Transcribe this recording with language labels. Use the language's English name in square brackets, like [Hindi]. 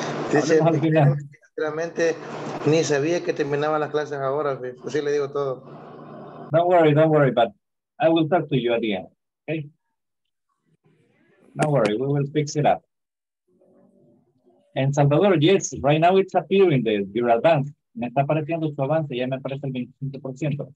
[Spanish] Teacher, realmente ni sabía que terminaban las clases ahora. Pues sí, le digo todo. [English] Don't worry, but I will talk to you at the end, okay? Don't worry, we will fix it up. And Salvador, yes, right now it's appearing, your advance. [Spanish] Me está apareciendo su avance, ya me aparece el 25%.